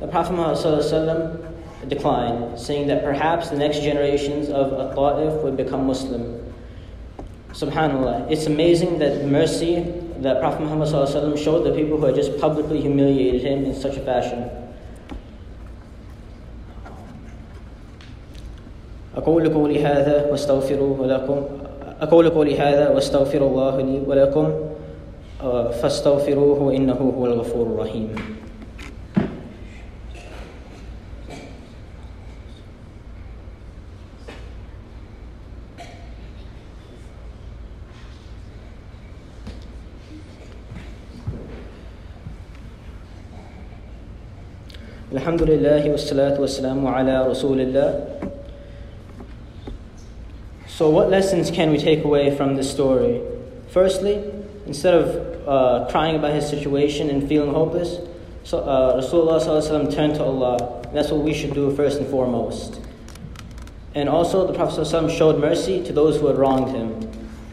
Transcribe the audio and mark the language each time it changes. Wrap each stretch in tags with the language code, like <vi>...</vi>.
<en>The Prophet Muhammad ﷺ declined, saying that perhaps the next generations of At-Ta'if would become Muslim. SubhanAllah, it's amazing that mercy that Prophet Muhammad ﷺ showed the people who had just publicly humiliated him in such a fashion.</en> <ar>أقول قولي هذا واستغفر الله لي ولكم فاستغفروه إنه هو الغفور الرحيم. الحمد لله والصلاة والسلام على رسول الله.</ar> <en>So what lessons can we take away from this story? Firstly, instead of crying about his situation and feeling hopeless, Rasulullah ﷺ turned to Allah. That's what we should do first and foremost. And also the Prophet ﷺ showed mercy to those who had wronged him.</en>